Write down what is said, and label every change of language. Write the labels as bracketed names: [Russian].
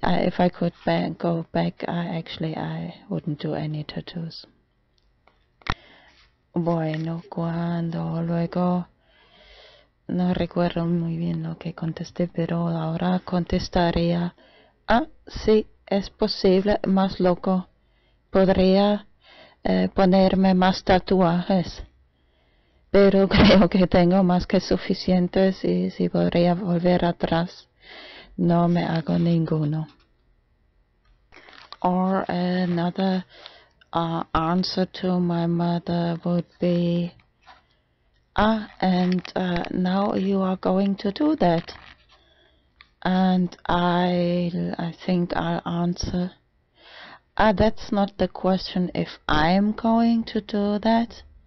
[English] If I could go back, I wouldn't do any tattoos. [Spanish] Bueno, cuando luego, no recuerdo muy bien lo que contesté, pero ahora contestaría, ah, sí, es posible, más loco. Podría ponerme más tatuajes, pero creo que tengo más que suficientes y si podría volver atrás, no me hago ninguno. [English] Or another answer to my mother would be, ah, and now you are going to do that. And I think I'll answer, ah, that's not the question if I'm going to do that.